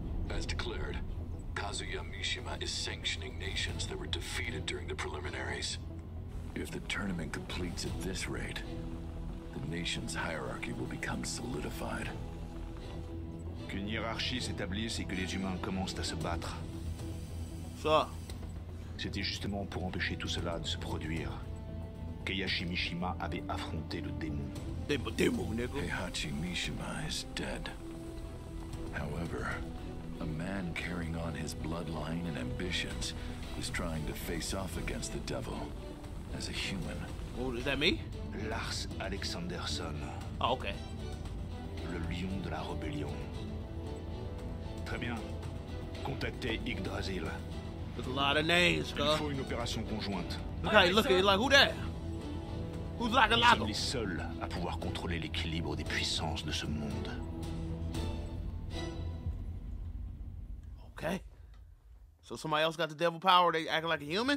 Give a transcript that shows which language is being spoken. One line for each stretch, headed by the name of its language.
English: As declared, Kazuya Mishima is sanctioning nations that were defeated during the preliminaries. If the tournament completes at this rate, the nation's hierarchy will become solidified.
French: Qu'une hiérarchie s'établisse et que les humains commencent à se battre. Ça. C'était justement pour empêcher tout cela de se produire que Hachi Mishima avait affronté le démon. Démon, nigga.
English: Hachi Mishima is dead. However, a man carrying on his bloodline and ambitions is trying to face off against the devil as a human. Oh, is that me? Lars Alexanderson. Oh, okay.
French: Le lion de la rébellion. Très bien. Contactez Yggdrasil.
English: With a lot of names, girl.
French: Il faut une opération conjointe.
English: Look how you look at it, like, who there? Who's like a lot of...
French: Nous sommes les seuls à pouvoir contrôler l'équilibre des puissances de ce monde.
English: Okay. So somebody else got the devil power, they acting like a human?